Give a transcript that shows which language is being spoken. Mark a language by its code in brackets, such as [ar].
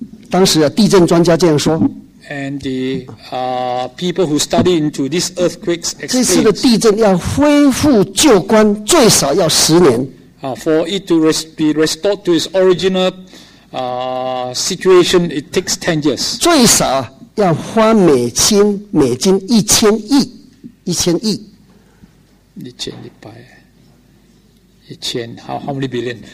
[zh] 当时啊地震专家这样说 [en] And the people who study into these earthquakes explain. [zh] 这次的地震要恢复旧观，最少要十年。 [en] For it to be restored to its original situation, it takes 10 years. [zh] 最少要花美金一千亿。一千一百，一千 [en] how many billion?